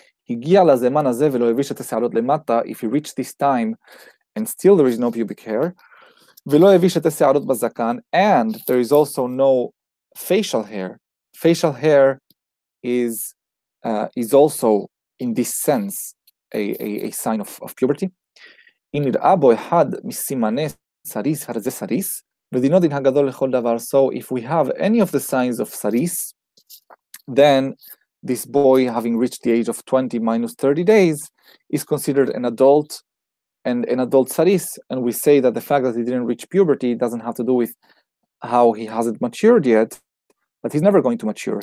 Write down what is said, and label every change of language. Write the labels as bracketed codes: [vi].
[he] הגיע לזמן הזה ולא הביא שתי שערות למטה, [en] if he reached this time and still there is no pubic hair, [he] ולא הביא שתי שערות בזקן, [en] and there is also no facial hair. Facial hair is also, in this sense, a sign of puberty. [he] אם נראה בו אחד מסימני סריס, הרי זה סריס, ודינו דין הגדול לכל דבר. [en] So if we have any of the signs of סריס, then this boy, having reached the age of 20 minus 30 days, is considered an adult, and an adult saris. And we say that the fact that he didn't reach puberty doesn't have to do with how he hasn't matured yet, but he's never going to mature.